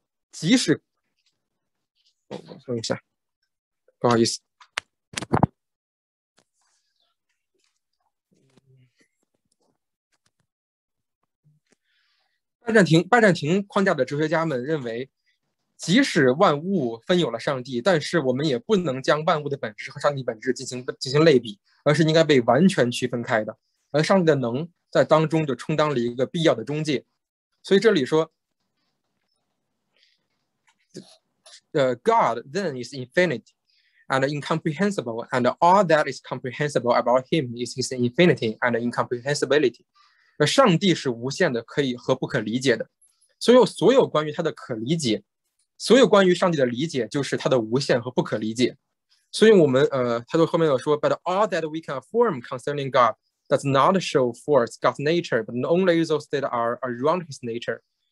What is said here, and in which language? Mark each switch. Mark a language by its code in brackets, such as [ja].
[zh] 即使我说一下，不好意思，拜占庭框架的哲学家们认为，即使万物分有了上帝，但是我们也不能将万物的本质和上帝本质进行类比，而是应该被完全区分开的。而上帝的能在当中就充当了一个必要的中介。所以这里说 [en] God then is infinite and incomprehensible, and all that is comprehensible about him is his infinity and incomprehensibility。 [zh] 上帝是无限的，可以和不可理解的，所有关于他的可理解，所有关于上帝的理解就是他的无限和不可理解。所以我们他就后面有说 [en] But all that we can affirm concerning God does not show forth God's nature but only those that are around his nature。